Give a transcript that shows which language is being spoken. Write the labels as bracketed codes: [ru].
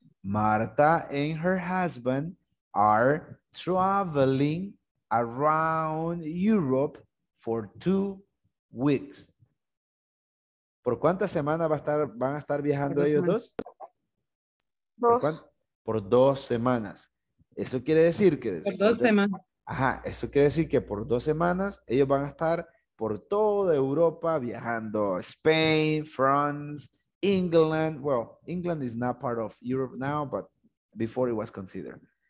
[en] Marta and her husband are traveling around Europe for 2 weeks. [es] ¿Por cuántas semanas van a estar viajando ellos dos? Por dos semanas. Eso quiere decir que... Por dos semanas. Ajá, eso quiere decir que por dos semanas ellos van a estar por toda Europa viajando. [en] Spain, France, England. Well, England is not part of Europe now, but before it was considered.